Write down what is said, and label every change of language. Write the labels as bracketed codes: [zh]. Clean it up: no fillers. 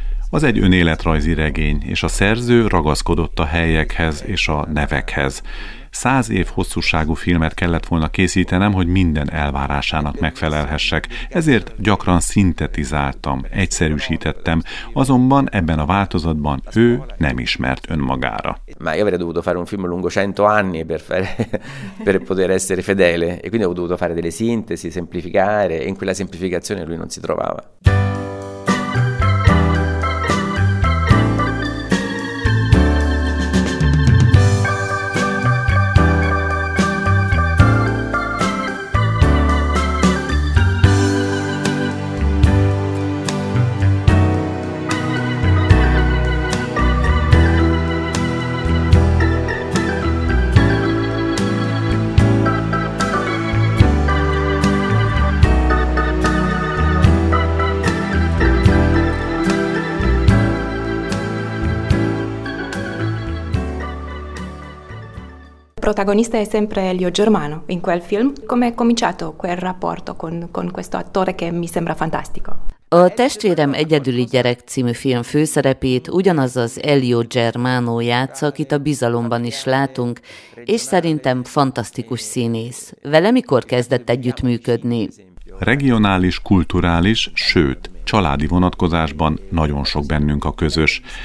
[hu] Az egy önéletrajzi regény, és a szerző ragaszkodott a helyekhez és a nevekhez. 100 év hosszúságú filmet kellett volna készítenem, hogy minden elvárásának megfelelhessek, ezért gyakran szintetizáltam, egyszerűsítettem, azonban ebben a változatban ő nem ismert önmagára. [it] Már avrei dovuto fare un film lungo 100 anni per poter essere fedele, e quindi ho dovuto fare delle sintesi, semplificare, e in quella semplificazione lui non si trovava. Protagonista è sempre Elio Germano in quel film. Come è cominciato quel rapporto con questo attore che mi sembra fantastico? [hu] A testvérem egyedüli gyerek című film főszerepét ugyanaz az Elio Germano játsza, akit a Bizalomban is látunk, és szerintem fantasztikus színész. Vele mikor kezdett együttműködni? Regionális, kulturális, sőt, családi vonatkozásban nagyon sok bennünk a közös.